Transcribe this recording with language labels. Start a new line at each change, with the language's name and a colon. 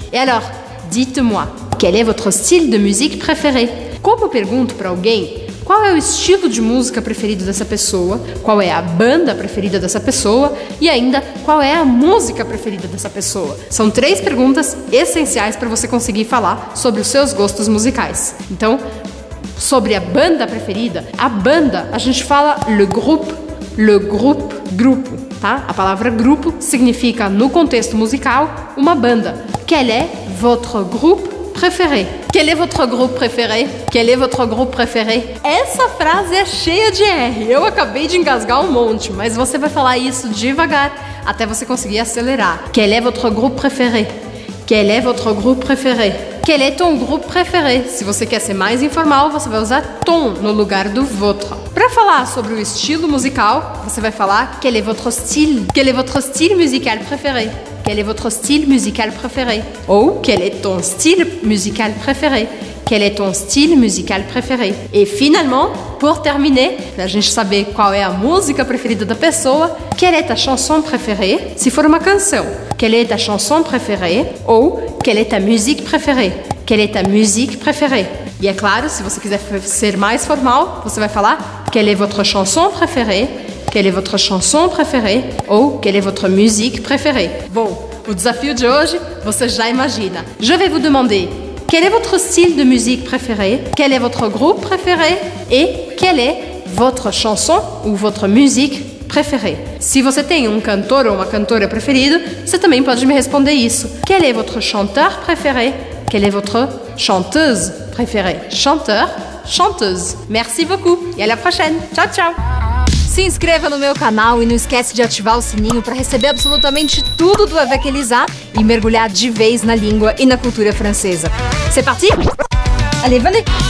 French: Et alors, dites-moi, quel est votre style de musique préféré?
Portuguese: Como pergunto para alguém, qual é o estilo de música preferido dessa pessoa? Qual é a banda preferida dessa pessoa? E ainda, qual é a música preferida dessa pessoa? São três perguntas essenciais para você conseguir falar sobre os seus gostos musicais. Então, sobre a banda preferida, a banda, a gente fala le groupe, grupo, tá? A palavra grupo significa, no contexto musical, uma banda.
French: Quel est votre groupe préféré? Quel est votre groupe préféré? Quel est votre groupe préféré?
Portuguese: Essa frase é cheia de R. Eu acabei de engasgar um monte, mas você vai falar isso devagar até você conseguir acelerar.
French: Quel est votre groupe préféré? Quel est votre groupe préféré? Quel est ton groupe préféré?
Portuguese: Se você quer ser mais informal, você vai usar ton no lugar do votre. Para falar sobre o estilo musical, você vai falar
French: quel est votre style? Quel est votre style musical préféré? Quel est votre style musical préféré? Ou quel est ton style musical préféré? Quel est ton style musical préféré? Et finalement, pour terminer,
Portuguese: pra gente saber qual é a música preferida da pessoa,
French: quelle est ta chanson préférée?
Portuguese: Se for uma canção,
French: quelle est ta chanson préférée? Ou quelle est ta musique préférée? Quelle est ta musique préférée?
Portuguese: E é claro, se você quiser ser mais formal, você vai falar
French: quelle est votre chanson préférée? Quelle est votre chanson préférée? Ou quelle est votre musique préférée?
Portuguese: Bon, o desafio de hoje, você já imagina.
French: Je vais vous demander: quel est votre style de musique préféré? Quel est votre groupe préféré? Et quelle est votre chanson ou votre musique préférée?
Portuguese: Si você tem cantor ou uma cantora preferido, você também pode me responder isso.
French: Quel est votre chanteur préféré? Quelle est votre chanteuse préférée? Chanteur, chanteuse. Merci beaucoup et à la prochaine.
Italian: Ciao, ciao!
Portuguese: Se inscreva no meu canal e não esquece de ativar o sininho para receber absolutamente tudo do Avec Elisa e mergulhar de vez na língua e na cultura francesa.
French: C'est parti? Allez, venez!